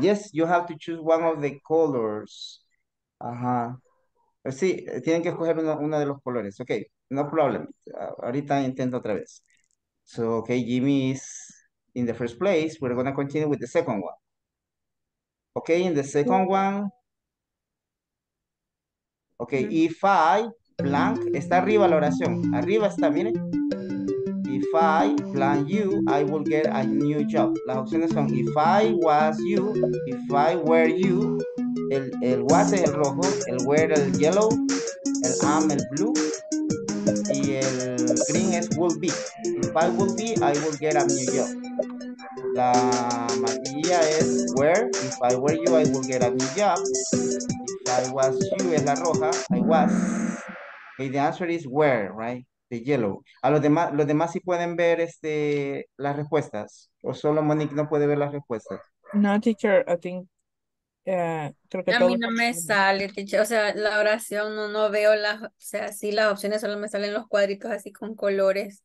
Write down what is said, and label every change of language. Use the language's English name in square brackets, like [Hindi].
[English] Yes, you have to choose one of the colors. Ajá. [Spanish] Sí, tienen que escoger uno de los colores. [English] Okay, no problem. [Spanish] Ahorita intento otra vez. [English] So, okay, Jimmy is in the first place. We're going to continue with the second one. Okay, in the second one. Okay, if I, [Spanish] blank, está arriba la oración, arriba está, miren. [English] If I blank you, I will get a new job. [Spanish] Las opciones son if I was you, if I were you, el was el rojo, el were el yellow, el am el blue, y el green es will be. [English] If I will be, I will get a new job. [Spanish] La amarilla es where, [English] if I were you, I will get a new job. If I was you, [Spanish] es la roja, [English] I was. Okay, the answer is where, right? The yellow. [Spanish] A los demás sí pueden ver este, las respuestas, o solo Monique no puede ver las respuestas. [English] No, teacher, I think. [Spanish] Creo que a mí no me sale, teacher, o sea, la oración no, no veo las, o sea, sí las opciones solo me salen los cuadritos así con colores.